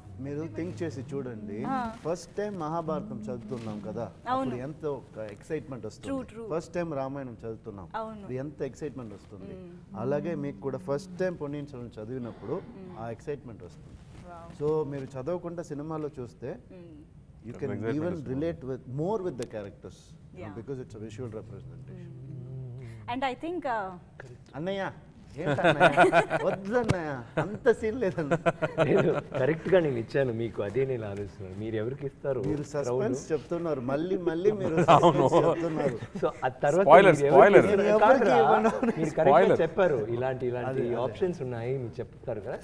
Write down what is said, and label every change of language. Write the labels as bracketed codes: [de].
[te] మీరు థింక్ చేసి చూడండి, ఫస్ట్ టైం మహాభారతం చదువుతున్నాం కదా, ఎంత ఎక్సైట్మెంట్ వస్తుంది. ఫస్ట్ టైం రామాయణం చదువుతున్నాం, ఎంత ఎక్సైట్మెంట్ వస్తుంది. అలాగే మీకు కూడా ఫస్ట్ టైం పొన్నియిన్ సెల్వన్ చదివినప్పుడు ఆ ఎక్సైట్మెంట్ వస్తుంది. సో మీరు చదవకుండా సినిమాలో చూస్తే [en] you can even relate with more with the characters, yeah, because it's a visual representation. And I think Annaya [te] చెప్పారు ఇలాంటి ఇలాంటి ఆప్షన్స్ ఉన్నాయి మీరు చెప్తారు కదా